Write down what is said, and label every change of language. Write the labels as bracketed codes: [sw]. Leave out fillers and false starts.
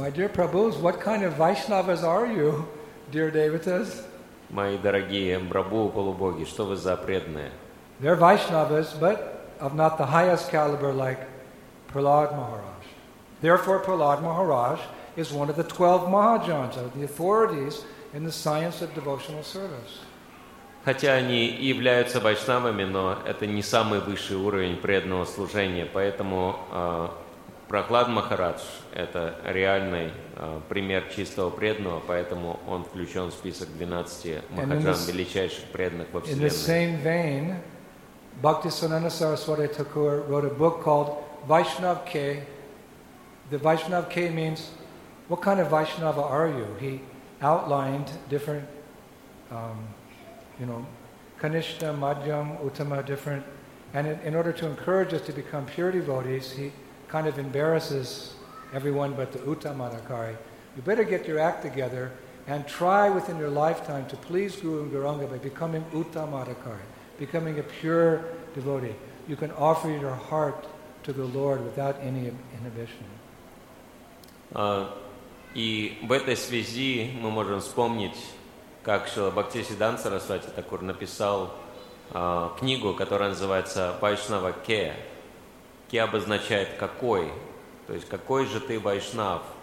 [en] My dear Prabhus, what kind of Vaishnavas are you, dear Devatas? [ru] Мои дорогие Мбрабу, полубоги, что вы за преданные? [en] They're Vaishnavas, but of not the highest caliber like Prahlad Maharaj. Therefore, Prahlad Maharaj is one of the 12 Mahajans, of the authorities in the science of devotional service. [ru] Хотя они и являются вайшнавами, но это не самый высший уровень преданного служения, поэтому Прохлад Махарадж – это реальный пример чистого преданного, поэтому он включен в список 12 махаджан, величайших преданных во Вселенной. [en] In the same vein, Bhaktisananda Saraswati Thakur wrote a book called Vaishnav K. The Vaishnav K means, what kind of Vaishnava are you? He outlined different, Kanishna, Madhyam, Uttama, different. And in order to encourage us to become pure devotees, he kind of embarrasses everyone but the Uttamanakari. You better get your act together and try within your lifetime to please Guru and Gauranga by becoming Uttamanakari, becoming a pure devotee. You can offer your heart to the Lord without any inhibition. [ru] И в этой связи мы можем вспомнить, как Шрила Бхактисиддханта Сарасвати Такур написал книгу, которая называется «Вайшнава Ке». «Ке» обозначает «какой», то есть «какой же ты вайшнав».